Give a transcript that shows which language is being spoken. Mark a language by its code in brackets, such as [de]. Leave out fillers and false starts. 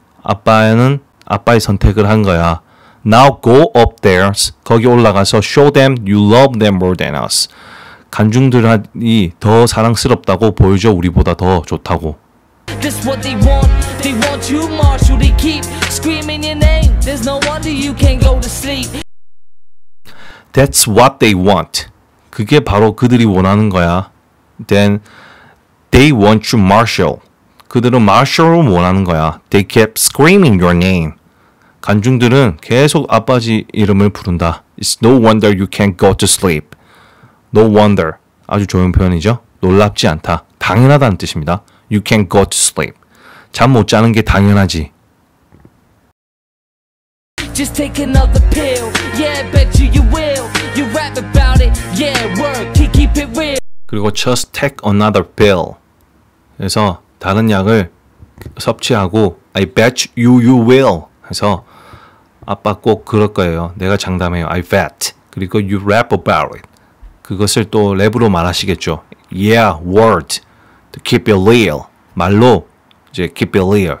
[ko] 아빠는 아빠의 선택을 한 거야. [en] Now go up there. [ko] 거기 올라가서 [en] show them you love them more than us. [ko] 관중들이 더 사랑스럽다고 보여줘. 우리보다 더 좋다고. [en] That's what they want. They want you, Marshall. They keep screaming your name. There's no wonder you can't go to sleep. That's what they want. [ko] 그게 바로 그들이 원하는 거야. [en] Then they want you, Marshall. [ko] 그들은 Marshall을 원하는 거야. [en] They kept screaming your name. [ko] 관중들은 계속 아빠지 이름을 부른다. [en] It's no wonder you can't go to sleep. No wonder. [ko] 아주 좋은 표현이죠. 놀랍지 않다. 당연하다는 뜻입니다. [en] You can't go to sleep. [ko] 잠 못 자는 게 당연하지. [en] Just take another pill. Yeah, bet you you will. You rap about it. Yeah, work. Keep it real. [ko] 그리고 [en] just take another pill. [ko] 그래서 다른 약을 섭취하고 [en] I bet you you will. [ko] 해서 아빠 꼭 그럴 거예요. 내가 장담해요. [en] I bet. [ko] 그리고 [en] you rap about it. [ko] 그것을 또 랩으로 말하시겠죠. [en] Yeah, word. To keep it real. [ko] 말로 이제 [en] keep it real.